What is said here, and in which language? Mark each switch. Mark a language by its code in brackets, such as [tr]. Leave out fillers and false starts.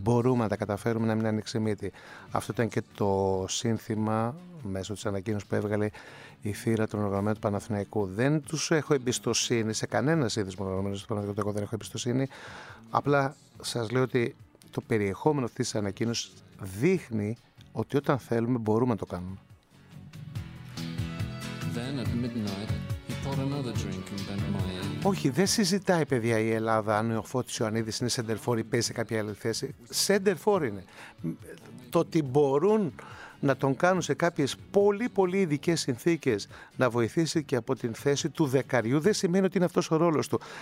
[el] Μπορούμε να τα καταφέρουμε, να μην ανοίξει μύτη». Αυτό ήταν και το σύνθημα μέσω της ανακοίνωσης που έβγαλε η Θύρα των οργανωμένων του Παναθηναϊκού. Δεν τους έχω εμπιστοσύνη σε κανένα σύνδεσμο οργανωμένων του Παναθηναϊκού, εγώ δεν έχω εμπιστοσύνη. Απλά σας λέω ότι το περιεχόμενο αυτής της ανακοίνωσης δείχνει ότι όταν θέλουμε μπορούμε να το κάνουμε. [en] Then at midnight, he poured another drink and bent my head. [el] Όχι, δεν συζητάει, παιδιά, η Ελλάδα αν ο Φώτης Ιωαννίδης είναι σέντερφορ ή παίζει σε κάποια άλλη θέση. Σέντερφορ είναι. Το ότι μπορούν να τον κάνουν σε κάποιες πολύ πολύ ειδικές συνθήκες να βοηθήσει και από την θέση του δεκαριού δεν σημαίνει ότι είναι αυτός ο ρόλος του.